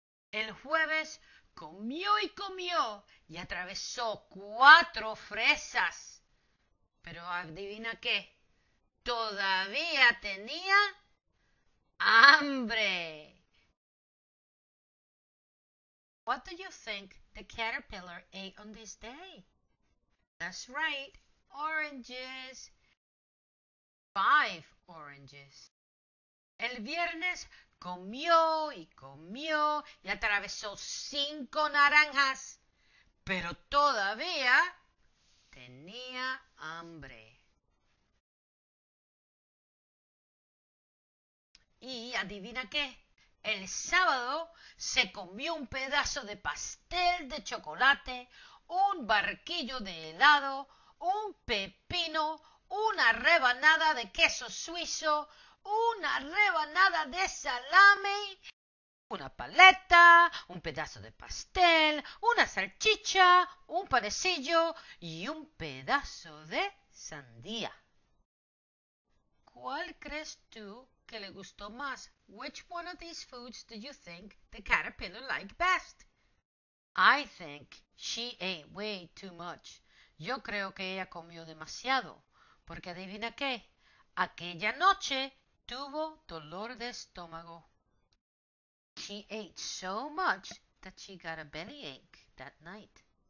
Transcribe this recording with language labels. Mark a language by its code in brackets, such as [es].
[es] El jueves comió y atravesó cuatro fresas, pero adivina qué, todavía tenía hambre. [en] What do you think the caterpillar ate on this day? That's right, oranges. Five oranges. [es] El viernes comió y atravesó cinco naranjas, pero todavía tenía hambre. ¿Y adivina qué? El sábado se comió un pedazo de pastel de chocolate, un barquillo de helado, un pepino, una rebanada de queso suizo, una rebanada de salame, una paleta, un pedazo de pastel, una salchicha, un panecillo y un pedazo de sandía. ¿Cuál crees tú que le gustó más? [en] Which one of these foods do you think the caterpillar liked best? I think she ate way too much. [es] Yo creo que ella comió demasiado, porque adivina qué, aquella noche tuvo dolor de estómago. [en] She ate so much that she got a bellyache that night.